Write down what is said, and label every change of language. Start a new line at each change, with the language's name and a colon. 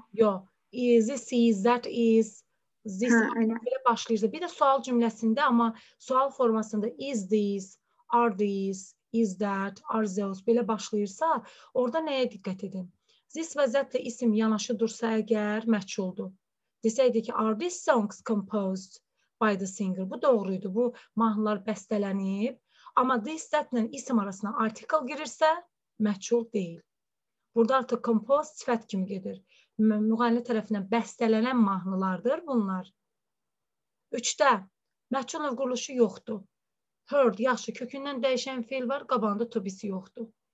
Azerbaijani: Yo, is, this is, that is. This belə başlayır. Bir də sual cümləsində, amma sual formasında is this, are these, is that, are those belə başlayırsa, orada nəyə diqqət edin? This və that-lə isim yanaşı dursa əgər, məchuldur. Desəydi ki,
English: are these songs composed by the singer?
Azerbaijani: Bu doğruydu. Bu mahnılar bəstələnib. Amma this, that-lə isim arasına article girirsə, məchul deyil. Burada artıq composed sifət kimi gedir. Müğənnə tərəfindən bəstələnən mahnılardır bunlar. Üçdə, məchul növ quruluşu yoxdur. Heard, yaxşı, kökündən dəyişən fiil var, qabağında to be-si yoxdur.